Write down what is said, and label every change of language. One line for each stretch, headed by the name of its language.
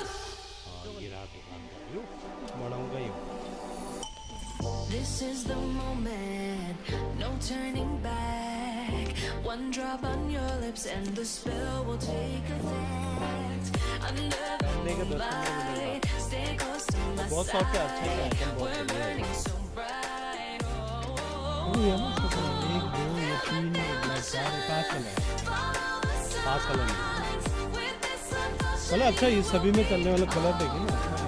Hindi: और ये रहा दुकान का व्यू, बढ़ाऊँगा ये।
English: This is the moment, no turning back. One drop on your lips and the spell will take effect. Under the moonlight, stay close to my side. We're burning so bright. Oh yeah, look at that. One, two, three, four, five, six, seven, eight, nine, ten. Five colors.
Hindi: चलो अच्छा, ये सभी में चलने वाला colour देखिए ना।